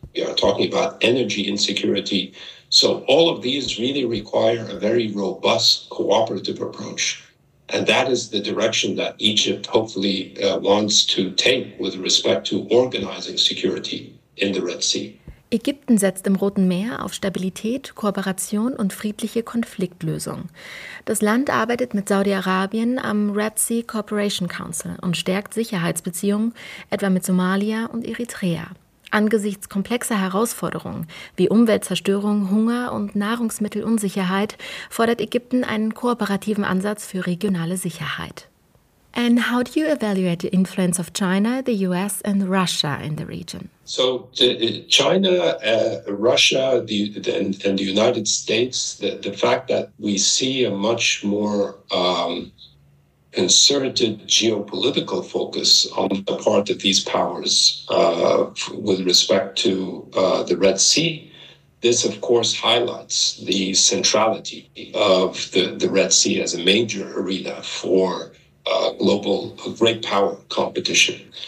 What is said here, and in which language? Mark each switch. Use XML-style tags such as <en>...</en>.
<en>We are talking about energy insecurity. So all of these really require a very robust cooperative approach. And that is the direction that Egypt hopefully wants to take with respect to organizing security in the Red Sea.</en> <de>Ägypten setzt im Roten Meer auf Stabilität, Kooperation und friedliche Konfliktlösung. Das Land arbeitet mit Saudi-Arabien am Red Sea Cooperation Council und stärkt Sicherheitsbeziehungen, etwa mit Somalia und Eritrea. Angesichts komplexer Herausforderungen wie Umweltzerstörung, Hunger und Nahrungsmittelunsicherheit fordert Ägypten einen kooperativen Ansatz für regionale Sicherheit.</de> <en>And how do you evaluate the influence of China, the U.S. and Russia in the region? So China, Russia, and the United States, the fact that we see a much more concerted geopolitical focus on the part of these powers with respect to the Red Sea, this, of course, highlights the centrality of the Red Sea as a major arena for global great power competition.</en>